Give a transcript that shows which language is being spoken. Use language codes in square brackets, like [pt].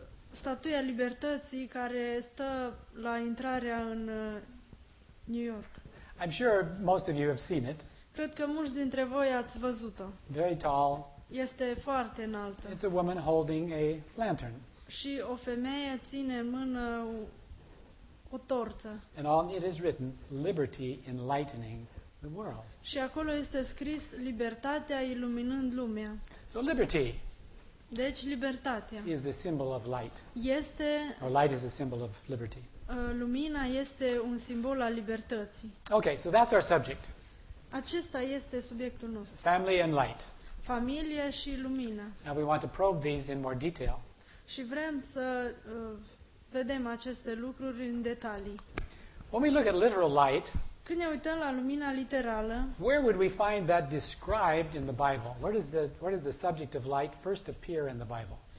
[ro] Statuia Libertății care stă la intrarea în New York. [en] I'm sure most of you have seen it. [ro] Cred că mulți dintre voi ați văzut-o. [en] Very tall. [ro] Este foarte înaltă. [en] It's a woman holding a lantern. [ro] Și o femeie ține în mână o torță. [en] And on it is written, Liberty enlightening the world. [ro] Și acolo este scris libertatea iluminând lumea. [en] So liberty. [ro] Deci libertatea. [en] Is a symbol of light. [ro] Este. [en] Or light is a symbol of liberty. [ro] Lumina este un simbol al libertății. [en] Okay, so that's our subject. [ro] Acesta este subiectul nostru. [en] Family and light. [ro] Familie și lumină. [en] Now we want to probe these in more detail. [ro] Și vrem să vedem aceste lucruri în detalii. [en] When we look at literal light, [ro] când ne uităm la lumina literală, [en] where would we find that described in the Bible? Where does the subject of light first appear in the Bible?